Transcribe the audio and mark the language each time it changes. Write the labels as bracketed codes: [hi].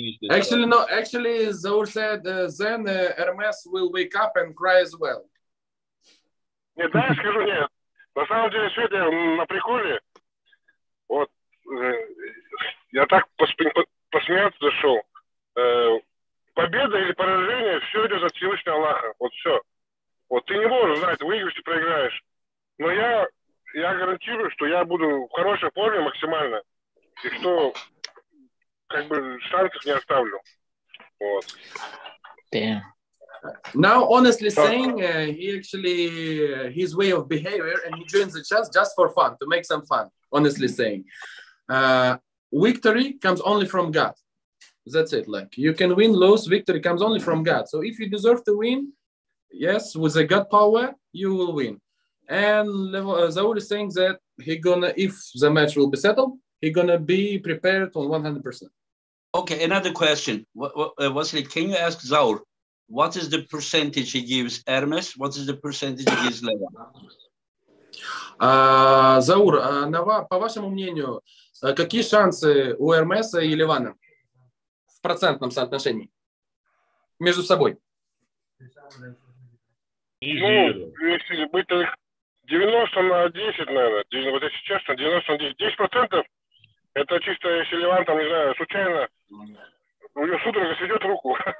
[en] Actually, Zaur said then Hermes will wake up and cry as well. [ru] Нет, да, скажу нет. На самом деле сегодня на приколе. Вот я так посмеяться зашел. Победа или поражение, все идет от Всевышнего Аллаха. Вот все. Вот ты не можешь знать, выиграешь и проиграешь. Но я гарантирую, что я буду в хорошей форме максимально. И что как бы шансов не оставлю. Вот. [en] Damn. Now, honestly saying, he actually, his way of behavior, and he joins the chess just for fun, to make some fun, honestly saying. Victory comes only from God. That's it. Like, you can win, lose, victory comes only from God. So if you deserve to win, yes, with the God power, you will win. And Zaur is saying that he gonna, if the match will be settled, he's going to be prepared on 100%. Okay, another question. Wasley, can you ask Zaur, what is the percentage he gives Ermes? What is the percentage he gives Levan? [ru] Zaur, на по вашему мнению, какие шансы у Эрмеса и Левана в процентном соотношении между собой? Ну, если быть 90 на 10, наверное, вот если честно, 90 на 10, 10% это чисто если Леван там, не знаю, случайно у него судорога сведет руку.